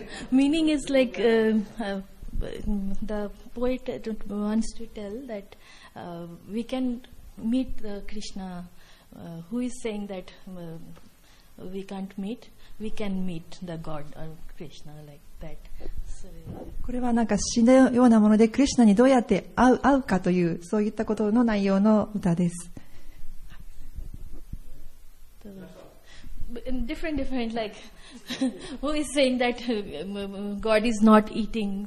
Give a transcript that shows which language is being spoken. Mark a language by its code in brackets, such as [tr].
[en] Meaning is like the poet wants to tell that we can meet Krishna. Who is saying that we can't meet? We can meet the God or Krishna like that. [ja] これはなんか詩のようなもので、クリシナにどうやって会うかという、そういったことの内容の歌です。 [en] Different, like who is saying that God is not eating?